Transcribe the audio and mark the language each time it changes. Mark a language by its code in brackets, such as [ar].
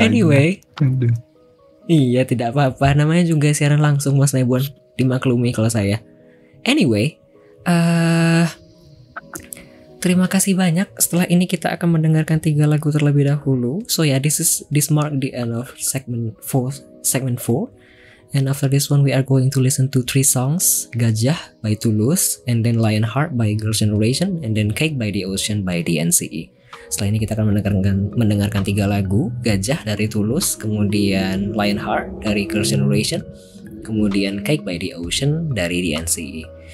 [id] Anyway, iya tidak apa-apa. Namanya juga siaran langsung, Mas Nebon. Dimaklumi kalau saya. Anyway, terima kasih banyak. Setelah ini kita akan mendengarkan 3 lagu terlebih dahulu. [en] So yeah, this mark the end of segment 4. And after this one, we are going to listen to 3 songs. Gajah by Tulus, and then Lionheart by Girls' Generation, and then Cake by The Ocean by DNCE. [id] Setelah ini kita akan mendengarkan 3 lagu. Gajah dari Tulus, kemudian Lionheart dari Girls' Generation, kemudian Cake by The Ocean dari DNCE.